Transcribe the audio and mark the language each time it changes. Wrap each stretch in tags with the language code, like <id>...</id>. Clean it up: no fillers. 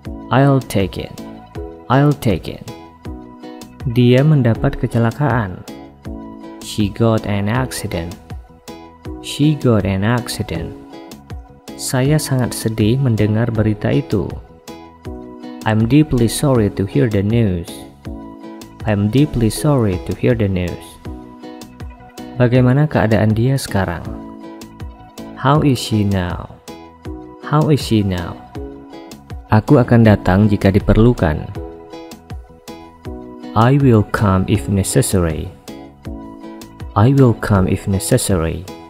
<en>I'll take it. I'll take it.</en> <id>Dia mendapat kecelakaan.</id> <en>She got an accident. She got an accident.</en> <id>Saya sangat sedih mendengar berita itu.</id> <en>I'm deeply sorry to hear the news. I'm deeply sorry to hear the news.</en> <id>Bagaimana keadaan dia sekarang?</id> <en>How is she now? How is she now?</en> <id>Aku akan datang jika diperlukan.</id> <en>I will come if necessary. I will come if necessary.</en>